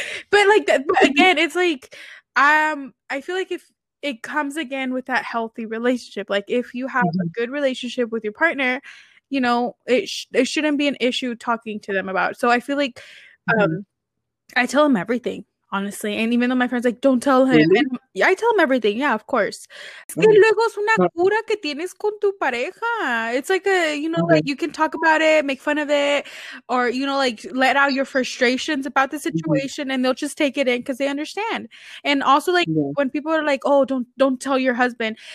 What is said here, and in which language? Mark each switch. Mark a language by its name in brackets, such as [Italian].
[English] But like, again, it's like, I feel like if it comes again with that healthy relationship, like if you have mm-hmm. a good relationship with your partner, you know, it shouldn't be an issue talking to them about it. So I feel like, I tell him everything, honestly. And even though my friend's like, don't tell him. Really? And I tell him everything. Yeah, of course. [Spanish] Es que luego es una cura que tienes con tu pareja. [English] It's like a, you know, like you can talk about it, make fun of it, or, you know, like let out your frustrations about the situation and they'll just take it in because they understand. And also like when people are like, oh, don't tell your husband.